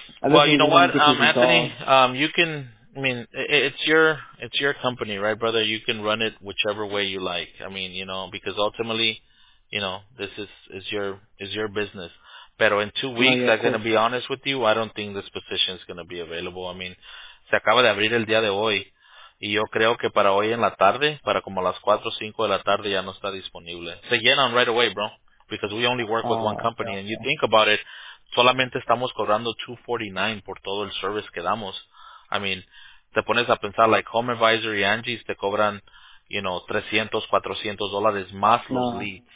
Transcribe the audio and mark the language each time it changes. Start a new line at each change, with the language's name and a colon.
English: well, you know what, Anthony, you can, I mean, it's your company, right, brother? You can run it whichever way you like. I mean, you know, because ultimately, you know, this is your business. Pero in 2 weeks, I'm going to be honest with you, I don't think this position is going to be available.
Spanish: I mean, se acaba de abrir el día de hoy, y yo creo que para hoy en la tarde, para como las 4 o 5 de la tarde, ya no está disponible. Se llenan
English: right away, bro, because we only work with one company, and you think about it.
Spanish: Solamente estamos cobrando $249 por todo el service que damos. I mean, te pones a pensar, like Home Advisor y Angie's te cobran, you know, $300, $400 más los leads.